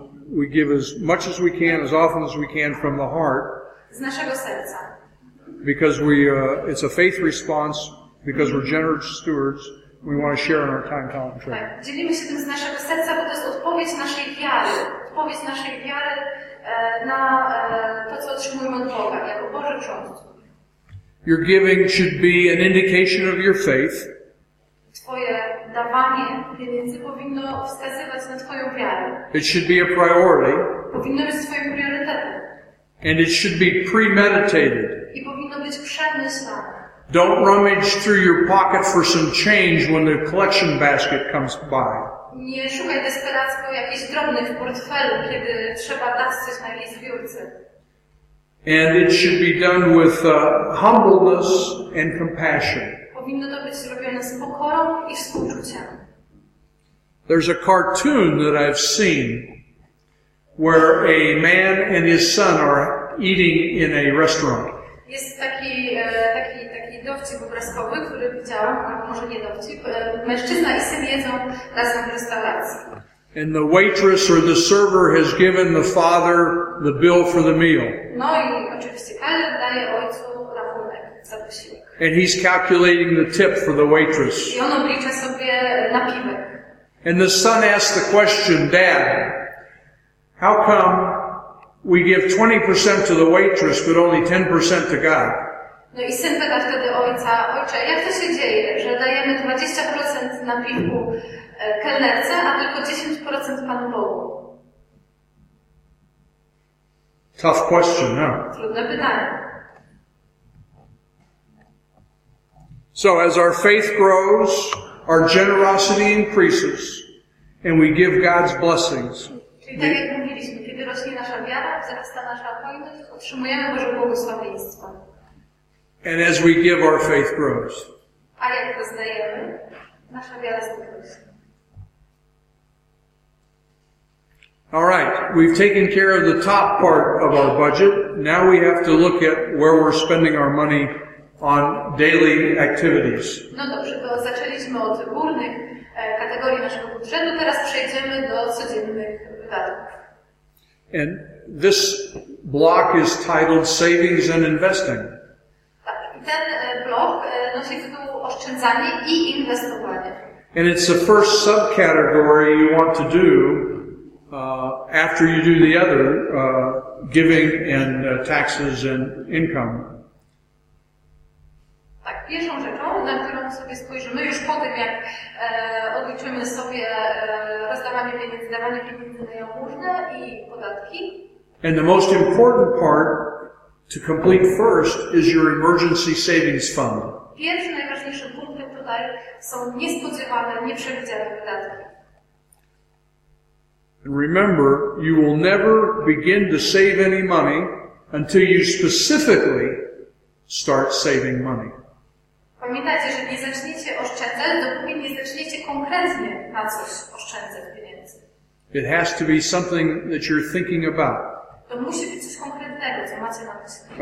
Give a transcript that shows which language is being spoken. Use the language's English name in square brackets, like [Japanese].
[English] We give as much as we can, as often as we can from the heart. [Polish] Z naszego serca. [English] Because we, it's a faith response, because we're generous stewards, we want to share in our time, talent, and treasure. [Polish] Tak, dzielimy się tym z naszego serca, bo to jest odpowiedź naszej wiary. Odpowiedź naszej wiary na to, co otrzymujemy od Boga, jako Boże przyjmujemy. [English] Your giving should be an indication of your faith. [Polish] Twoje dawanie pieniędzy powinno wskazywać na twoją wiarę. [English] It should be a priority. [Polish] Powinno być twoim priorytetem. [English] And it should be premeditated. [Polish] I powinno być przemyślane. [English] Don't rummage through your pocket for some change when the collection basket comes by. [Polish] Nie szukaj desperacko jakichś drobnych w portfelu, kiedy trzeba dać coś na jej zbiórce. [English] And it should be done with humbleness and compassion. [Polish] Powinno to być zrobione z pokorą i współczuciem. [English] There's a cartoon that I've seen where a man and his son are eating in a restaurant. [Polish] Jest taki dowcip obrazkowy, który widziałam, albo może nie dowcip. Mężczyzna i syn jedzą razem w restauracji. [English] And the waitress or the server has given the father the bill for the meal. [Polish] No i oczywiście kelner daje ojcu rachunek za posiłek. [English] And he's calculating the tip for the waitress. [Polish] I on oblicza sobie napiwek. [English] And the son asks the question, Dad, how come we give 20% to the waitress but only 10% to God? [Polish] No i syn pyta wtedy ojca, ojcze, jak to się dzieje, że dajemy 20% napiwku kelnerce, a tylko 10% Panu Bogu? [English] Tough question, huh? [Polish] Trudne pytanie. [English] So as our faith grows, our generosity increases, and we give God's blessings. [Polish] Czyli tak jak mówiliśmy, kiedy rośnie nasza wiara, wzrasta nasza hojność, otrzymujemy Boże błogosławieństwo. [English] And as we give, our faith grows. [Polish] A jak poznajemy, nasza wiara zwiększa. [English] All right, we've taken care of the top part of our budget. Now we have to look at where we're spending our money on daily activities. [Polish] No dobrze, to zaczęliśmy od górnych kategorii naszego budżetu, teraz przejdziemy do codziennych wydatków. [English] And this block is titled Savings and Investing. [Polish] Tak, ten blok nosi tytuł Oszczędzanie i Inwestowanie. [English] And it's the first subcategory you want to do after you do the other, giving and taxes and income. [Polish] Tak, pierwszą rzeczą, na którą sobie spojrzymy, już po tym, jak odliczymy sobie rozdawanie pieniędzy, dawanie pieniędzy na jałmużnę i podatki. [English] And the most important part to complete first is your emergency savings fund. [Polish] Pierwszy, najważniejszy punkt tutaj są niespodziewane, nieprzewidziane wydatki. [English] And remember, you will never begin to save any money until you specifically start saving money. [Polish] Pamiętajcie, że nie zaczniecie oszczędzać, dopóki nie zaczniecie konkretnie na coś oszczędzać pieniędzy. [English] It has to be something that you're thinking about. [Polish] To musi być coś konkretnego, co macie na myśli.